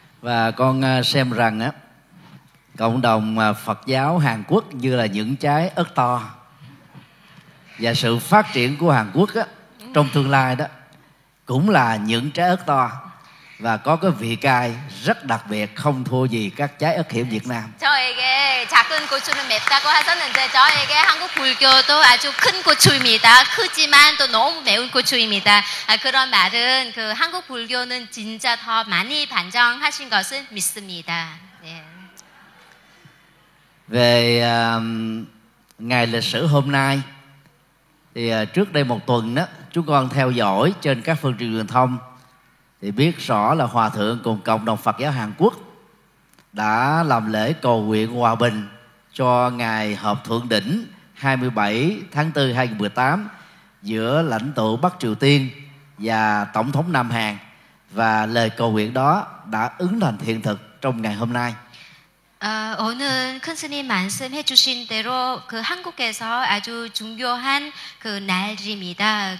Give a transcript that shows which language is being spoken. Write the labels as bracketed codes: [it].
[vi] Và con xem rằng á, cộng đồng Phật giáo Hàn Quốc như là những trái ớt to, và sự phát triển của Hàn Quốc á, trong tương lai đó cũng là những trái ớt to và có cái vị cay rất đặc biệt, không thua gì các trái ớt hiểm Việt Nam. [ko] 저에게 작은 고추는 맵다고 하셨는데 저에게 한국 불교도 아주 큰 고추입니다. 크지만 또 너무 매운 고추입니다. 아, 그런 말은 그 한국 불교는 진짜 더 많이 반정하신 것을 믿습니다. 네. [vi] Về ngày lịch sử hôm nay thì trước đây một tuần đó, chúng con theo dõi trên các phương tiện truyền thông thì biết rõ là Hòa Thượng cùng cộng đồng Phật giáo Hàn Quốc đã làm lễ cầu nguyện hòa bình cho Ngài Hợp Thượng Đỉnh 27 tháng 4 2018 giữa lãnh tụ Bắc Triều Tiên và Tổng thống Nam Hàn, và lời cầu nguyện đó đã ứng thành hiện thực trong ngày hôm nay. [ko] 오늘 큰 스님 말씀해 주신 대로 그 한국에서 아주 중요한 그 날입니다.